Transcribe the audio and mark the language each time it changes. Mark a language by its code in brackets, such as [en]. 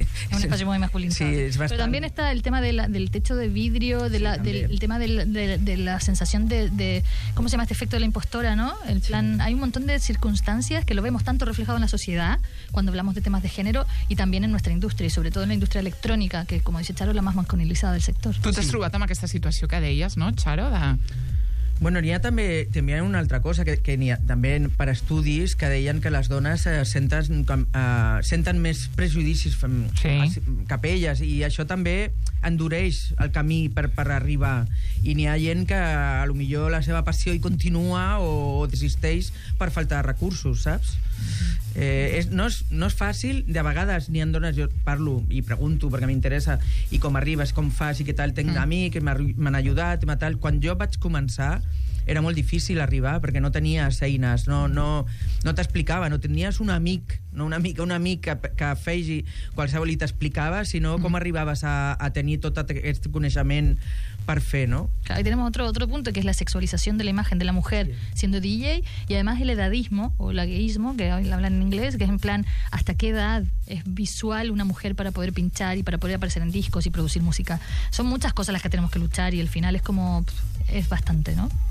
[ca] espai molt masculinitzat. Sí, és bastant... Però també està el tema del [es] techo de vidrio, [ca] el tema de la sensació de... [es] ¿Com se llama este efecto de la impostora, no? El plan, hay un montón de circunstancias que lo vemos tanto reflejado en la sociedad cuando hablamos de temas de género y también en nuestra industria, y sobre todo en la industria electrònica, que, como dice Charo, es la más masculinizada del sector. [ca] Tu t'has trobat amb aquesta situació que deies, no, Charo? Bueno, n'hi ha també una altra cosa, que n'hi ha també per estudis que deien que les dones senten més prejudicis cap a elles, i això també endureix el camí per arribar. I n'hi ha gent que potser la seva passió hi continua o desisteix per falta de recursos, saps? No és fàcil, de vegades n'hi ha dones, jo parlo i pregunto perquè m'interessa, i com arribes, com fas i què tal, tinc amics que m'han ajudat, tal. Quan jo vaig començar era molt difícil arribar perquè no tenies eines, no t'explicava, no tenies un amic, no una amiga, un amic que feixi qualsevol i t'explicava, sinó com arribaves a tenir tot aquest coneixement per fer, ¿no? [es] Claro, y tenemos otro punto, que es la sexualización de la imagen de la mujer siendo DJ, y además el edadismo o el ageísmo, que hoy hablan en inglés, que es en plan, ¿hasta qué edad es visual una mujer para poder pinchar y para poder aparecer en discos y producir música? Son muchas cosas las que tenemos que luchar, y al final es como... es bastante, ¿no?